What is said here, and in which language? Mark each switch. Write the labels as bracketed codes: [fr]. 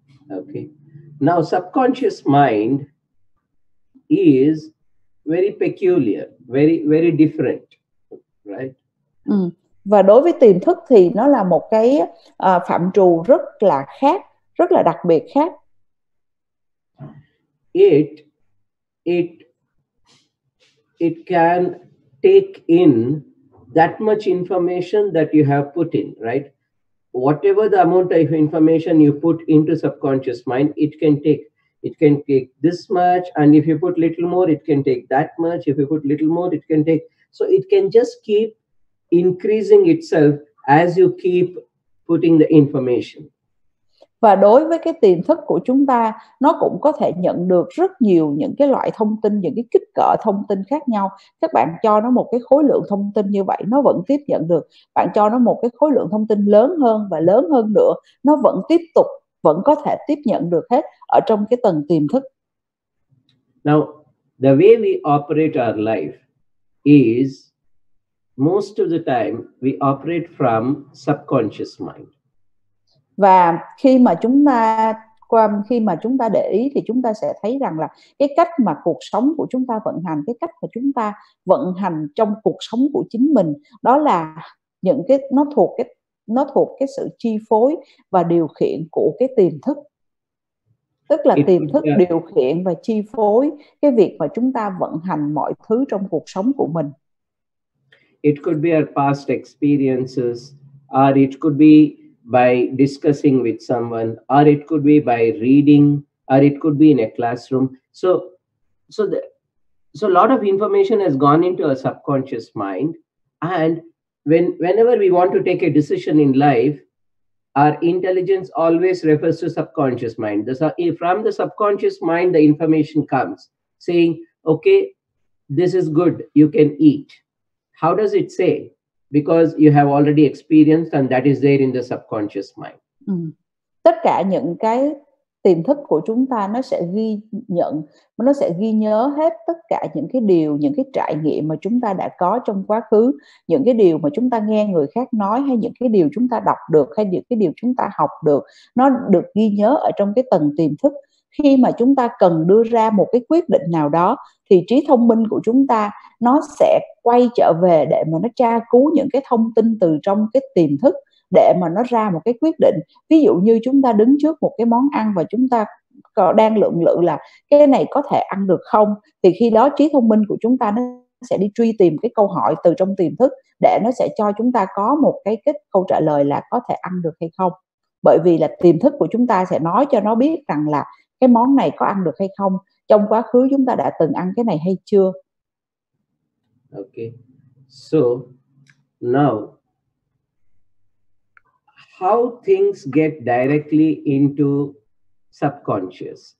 [en] Okay. Now subconscious mind is very peculiar, very very different, right? [vi] Và đối với tiềm thức thì nó là một cái phạm trù rất là khác, rất là đặc biệt khác. [en] It can take in that much information that you have put in, right? Whatever the amount of information you put into subconscious mind, it can take this much, and if you put little more, it can take that much. If you put little more, it can take. So it can just keep increasing itself as you keep putting the information. [vi] Và đối với cái tiềm thức của chúng ta, nó cũng có thể nhận được rất nhiều những cái loại thông tin, những cái kích cỡ thông tin khác nhau. Các bạn cho nó một cái khối lượng thông tin như vậy, nó vẫn tiếp nhận được. Bạn cho nó một cái khối lượng thông tin lớn hơn và lớn hơn nữa, nó vẫn tiếp tục, vẫn có thể tiếp nhận được hết ở trong cái tầng tiềm thức. [en] Now, the way we operate our life is most of the time we operate from subconscious mind. [vi] Và khi mà chúng ta để ý thì chúng ta sẽ thấy rằng là cái cách mà cuộc sống của chúng ta vận hành, cái cách mà chúng ta vận hành trong cuộc sống của chính mình, đó là những cái nó thuộc cái sự chi phối và điều khiển của cái tiềm thức. Tức là tiềm thức điều khiển và chi phối cái việc mà chúng ta vận hành mọi thứ trong cuộc sống của mình. [en] It could be our past experiences, or it could be by discussing with someone, or it could be by reading, or it could be in a classroom. So a lot of information has gone into our subconscious mind, and whenever we want to take a decision in life, our intelligence always refers to subconscious mind. From the subconscious mind, the information comes saying, okay, this is good, you can eat. How does it say? Because you have already experienced, and that is there in the subconscious mind. [vi] Tất cả những cái tiềm thức của chúng ta nó sẽ ghi nhận, nó sẽ ghi nhớ hết tất cả những cái điều, những cái trải nghiệm mà chúng ta đã có trong quá khứ, những cái điều mà chúng ta nghe người khác nói, hay những cái điều chúng ta đọc được, hay những cái điều chúng ta học được, nó được ghi nhớ ở trong cái tầng tiềm thức. Khi mà chúng ta cần đưa ra một cái quyết định nào đó, thì trí thông minh của chúng ta nó sẽ quay trở về để mà nó tra cứu những cái thông tin từ trong cái tiềm thức để mà nó ra một cái quyết định. Ví dụ như chúng ta đứng trước một cái món ăn và chúng ta đang lượng lự là cái này có thể ăn được không, thì khi đó trí thông minh của chúng ta nó sẽ đi truy tìm cái câu hỏi từ trong tiềm thức để nó sẽ cho chúng ta có một cái câu trả lời là có thể ăn được hay không. Bởi vì là tiềm thức của chúng ta sẽ nói cho nó biết rằng là cái món này có ăn được hay không, trong quá khứ chúng ta đã từng ăn cái này hay chưa. [en] Okay, so now how things get directly into subconscious?